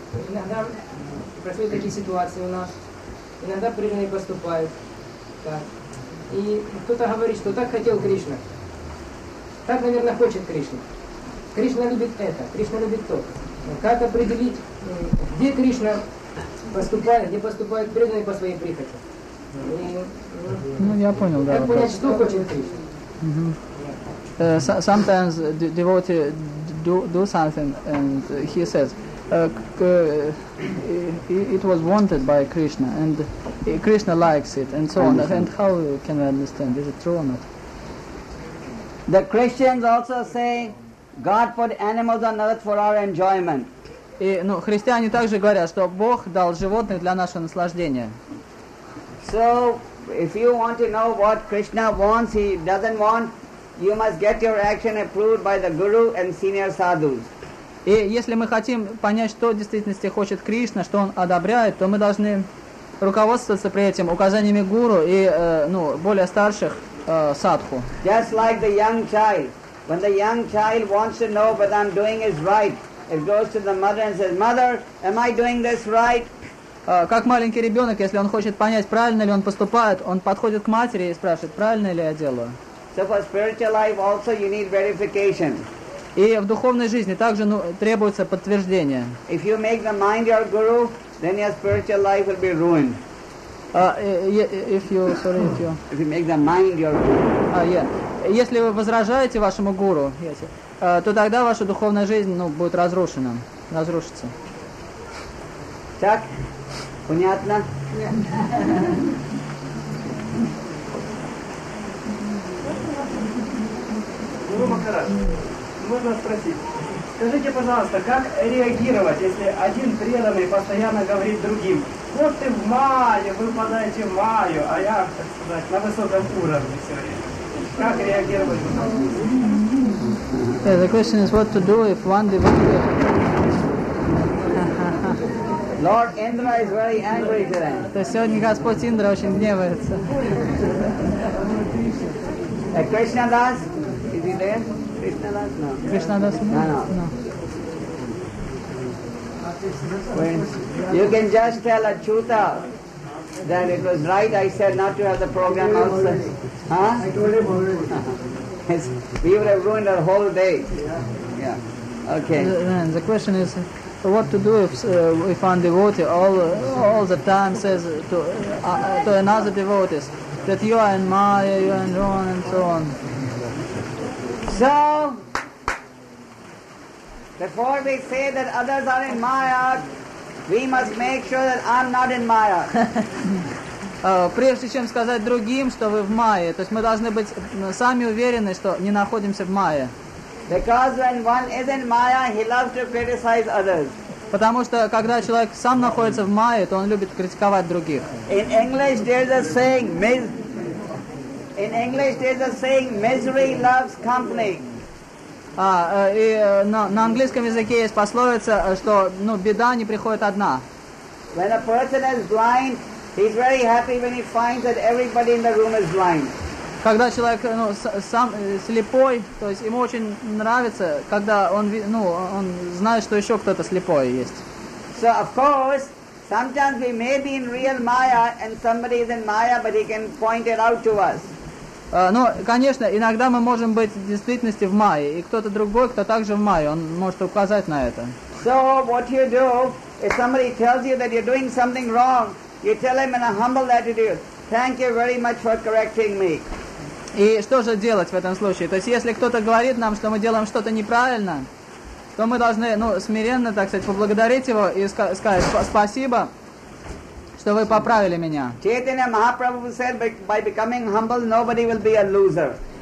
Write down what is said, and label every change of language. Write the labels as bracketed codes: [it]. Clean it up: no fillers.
[ru] Иногда происходят такие ситуации у нас, иногда преданные поступают, так. И кто-то говорит, что так хотел Кришна, так, наверное, хочет Кришна. Кришна любит это, Кришна любит то. Как определить, где Кришна поступает, где поступают преданные по своей прихоти? Ну, я понял, да. Как понять, что хочет Кришна? [en] Sometimes the devotee do something and he says, it was wanted by Krishna and Krishna likes it and so on. And how can we understand? Is it true or not? The Christians also say, God put animals on earth for our enjoyment. [ru] И, ну, христиане также говорят, что Бог дал животных для нашего наслаждения. [en] So, if you want to know what Krishna wants, he doesn't want, you must get your action approved by the guru and senior sadhus. [ru] И если мы хотим понять, что в действительности хочет Кришна, что он одобряет, то мы должны руководствоваться при этом указаниями гуру и, ну, более старших садху. [en] Just like the young child. When the young child wants to know whether I'm doing is right, it goes to the mother and says, Mother, am I doing this right? [ru] Как маленький ребенок, если он хочет понять, правильно ли он поступает, он подходит к матери и спрашивает, правильно ли я делаю. [en] So for spiritual life also you need verification. [ru] И в духовной жизни также, ну, требуется подтверждение. [en] If you make the mind your guru, then your spiritual life will be ruined. If you make the mind your guru. [ru] Если вы возражаете вашему гуру, то тогда ваша духовная жизнь, ну, будет разрушена, разрушится. Так? Понятно? Гуру Махарадж, можно спросить. Скажите, пожалуйста, как реагировать, если один преданный постоянно говорит другим, вот ты в мае, вы подаете в маю, а я, так сказать, на высоком уровне все время. [en] Yeah, the question is what to do if one devotee. Lord Indra is very angry today. [ru] То есть сегодня Господь Индра очень гневается. [en] Krishna Das, is he there? Krishna Das, no. Krishna Das, no. You can just tell Achyuta that it was right. I said not to have the program outside. Huh? I told him already. We would have ruined our whole day. Yeah. Okay. The question is, what to do if one devotee all the time says to another devotees that you are in Maya, you are in Ron, and so on. So, before we say that others are in Maya, we must make sure that I'm not in Maya. [ru] Прежде чем сказать другим, что вы в мае, то есть мы должны быть сами уверены, что не находимся в мае. [en] Because when one is in Maya, he loves to criticize others. [ru] Потому что когда человек сам находится в мае, то он любит критиковать других. [en] In English there's a saying, misery loves company. [ru] На английском языке есть пословица, что, ну, беда не приходит одна. [en] When a person is blind, he's very happy when he finds that everybody in the room is blind. [ru] Когда человек ну, сам слепой, то есть ему очень нравится, когда он, ну, он знает, что еще кто-то слепой есть. [en] So of course, sometimes we may be in real Maya and somebody is in Maya, but he can point it out to us. [ru] Ну, конечно, иногда мы можем быть в действительности в Майе, и кто-то другой, кто также в Майе, он может указать на это. [en] So what you do, if somebody tells you that you're doing something wrong, you tell him in a humble attitude, thank you very much for correcting me. [ru] И что же делать в этом случае? То есть если кто-то говорит нам, что мы делаем что-то неправильно, то мы должны, ну, смиренно, так сказать, поблагодарить его и сказать спасибо, что вы поправили меня. [en] Chaitanya Mahaprabhu said, by becoming humble, nobody will be a loser.